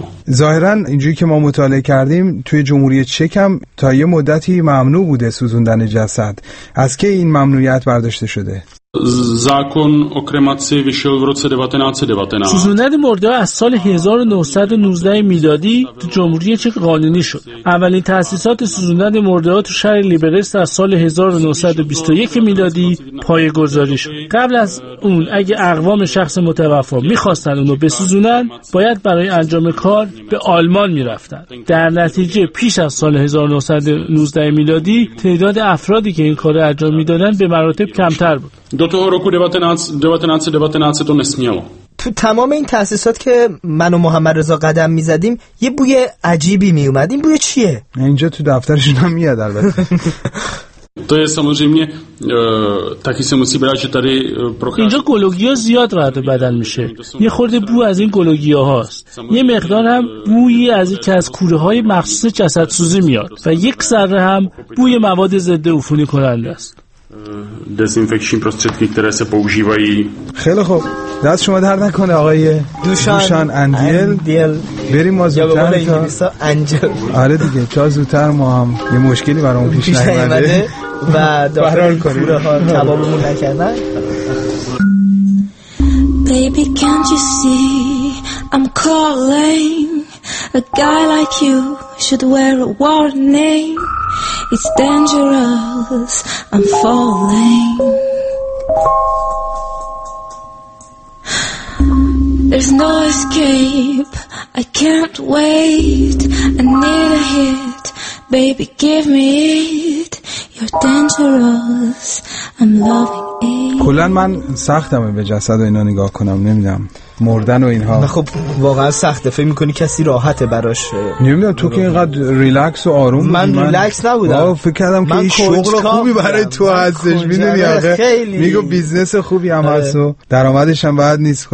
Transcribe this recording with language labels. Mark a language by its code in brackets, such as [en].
[fa] ظاهراً اینجوری که ما مطالعه کردیم، توی جمهوری چک هم تا یه مدتی ممنوع بوده سوزوندن جسد. از که این ممنوعیت برداشته شده؟ [cs] Zákon o kremaci vyšel v roce 1919. [fa] سوزوندن مرده از سال 1919 میلادی تو جمهوری چک قانونی شد. اولین تأسیسات سوزوندن مرده ها تو شهر لیبرست از سال 1921 میلادی پایه‌گذاری شد. قبل از اون اگه اقوام شخص متوفا میخواستن اونو بسوزونن، باید برای انجام کار به آلمان میرفتن. در نتیجه پیش از سال 1919 میلادی تعداد افرادی که این کار انجام میدادن به مراتب کمتر بود. [cs] Do toho roku 1919 se to nesmělo. [fa] تو تمام این تأسیسات که من و محمد رضا قدم می‌زدیم یه بوی عجیبی میومد. این بوی چیه؟ اینجا تو دفترشون هم میاد البته. [cs] To je samozřejmě taky se musí brát, že tady prochází. [fa] اینجا گلوگیا زیاد وارد بدن میشه. یه خورده بو از این گلوگیاهاست. یه مقدار هم بویی از یکی از کوره‌های مخصوص جسدسوزی میاد و یک ذره هم بوی مواد ضد عفونی کننده است. [cs] دزینفکشن prostředky, které se používají. [fa] خیلی خوب. دست شما درد نکنه آقای دوشان اندیل. بریم ما زودتر. انجل. آره دیگه، تا زودتر ما هم یه مشکلی برامون پیش نیومده و داخل کوره ها کبابمون نکردن. [en] Baby can't you see I'm calling a guy like you should wear a warning. It's dangerous, I'm falling. There's no escape, I can't wait. I need a hit, baby give me it. You're dangerous, I'm loving it. [fa] کلن من سختمه به جسد و اینا نگاه کنم، نمیدم مردن و اینها. خب واقعا سخته، فکر میکنی کسی راحته براش؟ نمیدونم، تو که اینقدر ریلکس و آروم. من ریلکس نبودم، فکر کردم که این شغل خوبی برای تو هستش. میدونی خیلی میگو بیزنس خوبی هم هست و درآمدش هم بد نیست.